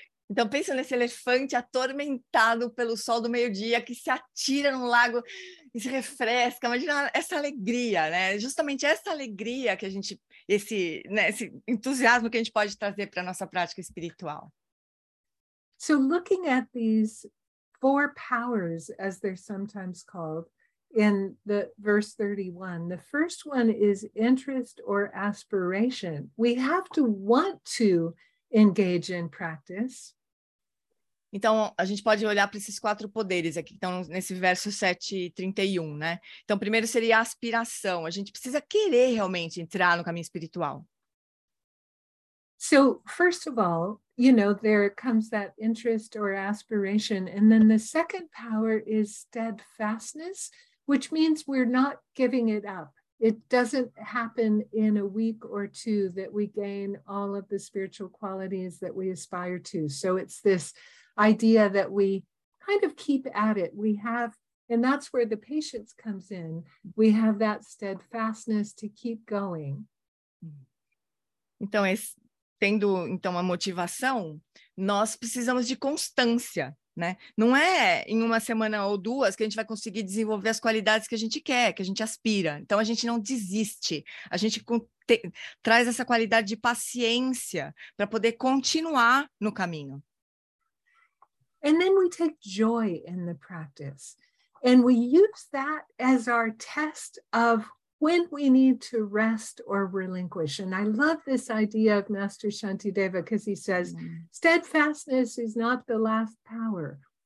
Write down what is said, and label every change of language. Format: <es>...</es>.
<pt>Então, pensa nesse elefante atormentado pelo sol do meio-dia que se atira num lago e se refresca. Imagina essa alegria, né? Justamente essa alegria que a gente, esse entusiasmo que a gente pode trazer para a nossa prática espiritual.</pt> <en>So, looking at these four powers, as they're sometimes called, in the verse 31, the first one is interest or aspiration. We have to want to engage in practice.</en> <pt>Então, a gente pode olhar para esses quatro poderes aqui, que estão nesse verso 7, 31, né? Então, primeiro seria a aspiração. A gente precisa querer realmente entrar no caminho espiritual.</pt> <en>So, first of all, you know, there comes that interest or aspiration. And then the second power is steadfastness, which means we're not giving it up. It doesn't happen in a week or two that we gain all of the spiritual qualities that we aspire to. So it's this idea that we kind of keep at it. We have, and that's where the patience comes in. We have that steadfastness to keep going.</en> <pt>Então, tendo então a motivação, nós precisamos de constância, né? Não é em uma semana ou duas que a gente vai conseguir desenvolver as qualidades que a gente quer, que a gente aspira. Então, a gente não desiste. A gente traz essa qualidade de paciência para poder continuar no caminho.</pt> <en>And then we take joy in the practice. And we use that as our test of when we need to rest or relinquish. And I love this idea of Master Shantideva because he says, steadfastness is not the last power.</en>